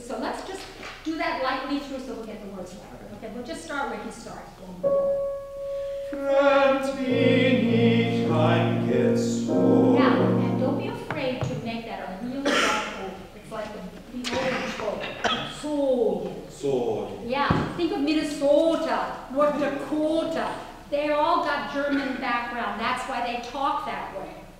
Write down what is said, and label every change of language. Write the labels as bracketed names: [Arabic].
[English] So let's just do that lightly through so we'll get the words right. Okay, we'll just start where he starts. [German] Fremd bin ich eingezogen. [English] Now, and don't be afraid to make that a really dark vowel. It's like the old control. [German] Sog. [English] Yeah, think of Minnesota, North Dakota. They all got German background. That's why they talk that way.